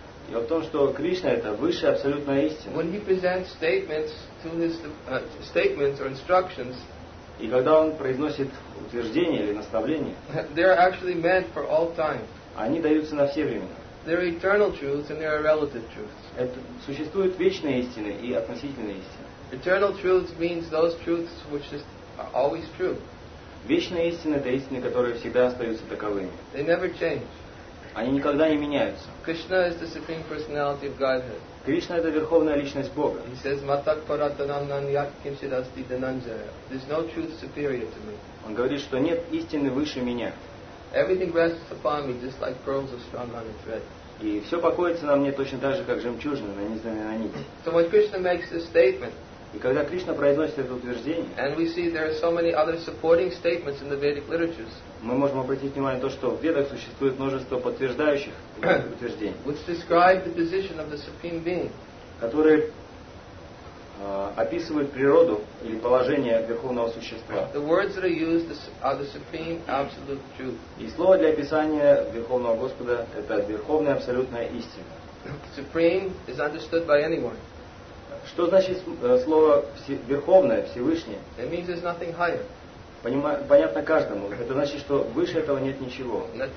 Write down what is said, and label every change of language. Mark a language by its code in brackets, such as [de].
[ru] Дело в том, что Кришна — это высшая абсолютная истина. [en] When he presents statements to his statements or instructions, [ru] и когда он произносит утверждения или наставления, [en] they are actually meant for all time. [ru] Они даются на все времена. [en] They are eternal truths and they are relative truths. [ru] Это существуют вечные истины и относительные истины. [en] Eternal truths means those truths which just are always true. [ru] Вечные истины — это истины, которые всегда остаются таковыми. [en] They never change. [ru] Они никогда не меняются. [en] Krishna is the supreme personality of Godhead. [ru] Кришна — это верховная личность Бога. [en] He says, [sa] "Matak paratanam nanyat kinchid asti dananjaya." [en] There's no truth superior to me. [ru] Он говорит, что нет истины выше меня. [en] Everything rests upon me, just like pearls are strung on a thread. [ru] И все покоится на мне точно так же, как жемчужина на незнайной нити. [en] So when Krishna makes this statement, [ru] и когда Кришна произносит это утверждение, [en] and we see there are so many other supporting statements in the Vedic literatures, [ru] мы можем обратить внимание на то, что в Ведах существует множество подтверждающих утверждений, [en] which describe the position of the supreme being, [ru] которые описывают природу или положение Верховного Существа. [en] The words that are used are the supreme absolute truth. [ru] И слово для описания Верховного Господа – это Верховная Абсолютная Истина. [en] Supreme is understood by anyone. [ru] Что значит слово Верховное, Всевышнее? [en] It means there's nothing higher. [ru] Понятно каждому. Это значит, что выше этого нет ничего.